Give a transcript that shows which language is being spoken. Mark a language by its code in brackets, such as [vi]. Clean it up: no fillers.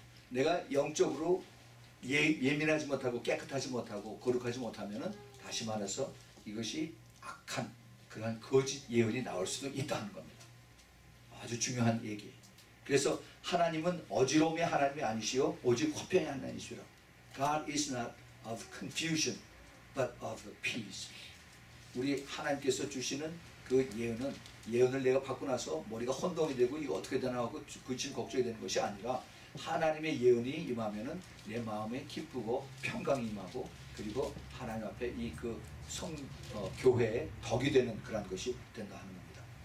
[ko] 내가 영적으로 예민하지 못하고 깨끗하지 못하고 거룩하지 못하면은 다시 말해서 이것이 악한 그런 거짓 예언이 나올 수도 있다는 겁니다. 아주 중요한 얘기. 그래서 하나님은 어지러움의 하나님이 아니시오 오직 화평의 하나님이시라. [en] God is not of confusion but of peace. [ko] 우리 하나님께서 주시는 그 예언은, 예언을 내가 받고 나서 머리가 혼동이 되고 이거 어떻게 되나 하고 근심 걱정이 되는 것이 아니라 하나님의 예언이 임하면은 내 마음에 기쁘고 평강이 임하고 그리고 하나님 앞에 이 그 교회에 덕이 되는 그런 것이 된다 하는 겁니다.